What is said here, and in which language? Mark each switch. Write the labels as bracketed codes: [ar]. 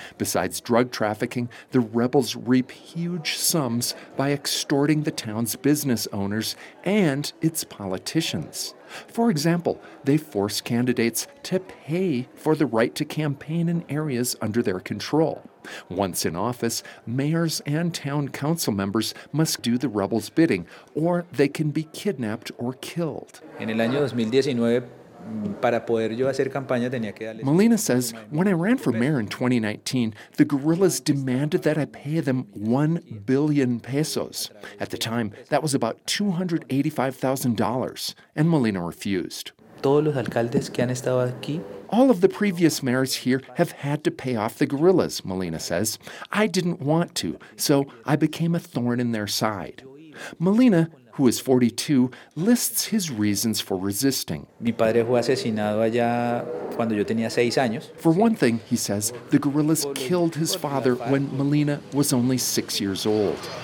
[en] Besides drug trafficking, the rebels reap huge sums by extorting the town's business owners and its politicians. For example, they force candidates to pay for the right to campaign in areas under their control. Once in office, mayors and town council members must do the rebels' bidding, or they can be kidnapped or killed. [es] En el año 2019, para poder yo hacer campaña, tenía que darle... [en] Molina says, when I ran for mayor in 2019, the guerrillas demanded that I pay them 1 billion pesos. At the time, that was about $285,000, and Molina refused. [es] Todos los alcaldes que han estado aquí... [en] All of the previous mayors here have had to pay off the guerrillas, Molina says. I didn't want to, so I became a thorn in their side. Molina, who is 42, lists his reasons for resisting. [es] Mi padre fue asesinado allá cuando yo tenía 6 años. [en] For one thing, he says, the guerrillas killed his father when Molina was only 6 years old.